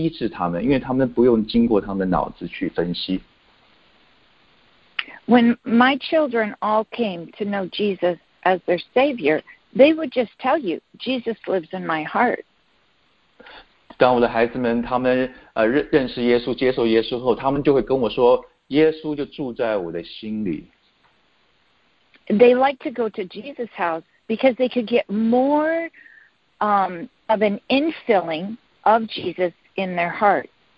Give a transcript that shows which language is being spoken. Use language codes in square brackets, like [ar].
[zh] 而且他们很快就会相信，当他们为病人祷告，在他们里面的耶稣就会医治他们，因为他们不用经过他们的脑子去分析。 [en] When my children all came to know Jesus as their Savior, they would just tell you, Jesus lives in my heart. [zh] 当我的孩子们，他们认识耶稣，接受耶稣后，他们就会跟我说，耶稣就住在我的心里。 [en] They like to go to Jesus' house because they could get more of an infilling of Jesus in their heart.